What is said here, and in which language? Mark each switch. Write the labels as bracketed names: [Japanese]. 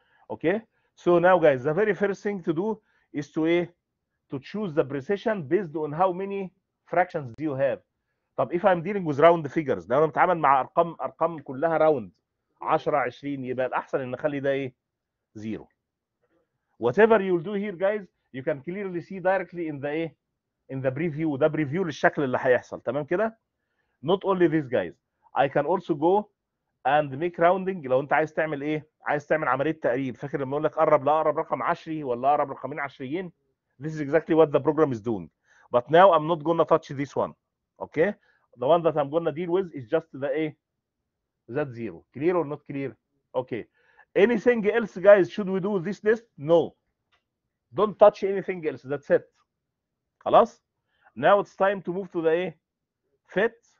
[English] Okay? So now guys, the very first thing to do is to choose the precision based on how many fractions do you have. [Arabic] طب [English] if I'm dealing with round figures, [Arabic] لو انا متعامل مع ارقام كلها round 10 20, يبقى الاحسن ان اخلي ده ايه؟ zero. [English] Whatever you'll do here guys, you can clearly see directly in the preview, the preview [Arabic] للشكل اللي هيحصل, تمام كده؟ [English] Not only this guys, I can also go and make rounding. [Arabic] لو انت عايز تعمل ايه؟ عايز تعمل عمليه تقريب, فاكر لما اقول لك قرب لاقرب رقم عشري ولا اقرب رقمين عشريين؟ [English] This is exactly what the program is doing. But now I'm not gonna touch this one. Okay? The one that I'm gonna deal with is just the A, that zero. Clear or not clear? Okay. Anything else, guys, should we do with this list? No. Don't touch anything else. That's it. خلاص؟ Now it's time to move to the A fit.